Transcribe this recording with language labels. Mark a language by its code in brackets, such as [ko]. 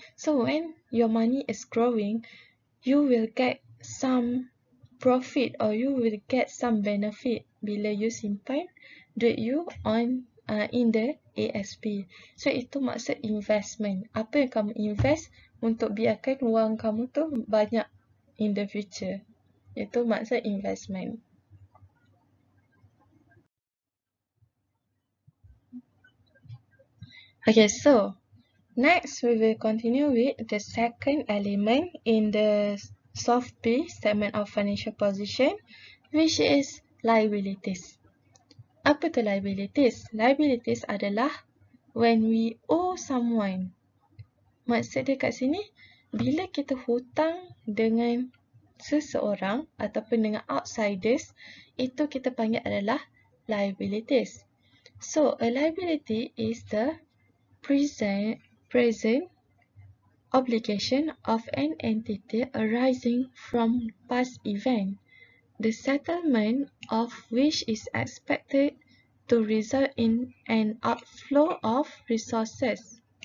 [en] So, when your money is growing, you will get some profit or you will get some benefit [ms] bila you simpan duit you [en] on in the ASB. [ms] So, itu maksud investment. Apa yang kamu invest untuk biarkan wang kamu tu banyak [en] in the future. [ms] Itu maksud investment. [en] Okay, so next we will continue with the second element in the soft P statement of financial position, which is liabilities. [ms] Apa tu [en] liabilities? Liabilities adalah when we owe someone. [ms] Maksud dia kat sini, bila kita hutang dengan seseorang ataupun dengan outsiders, itu kita panggil adalah liabilities. [en] So, a liability is the present obligation of an entity arising from past event, the settlement of which is expected to result in an outflow of resources.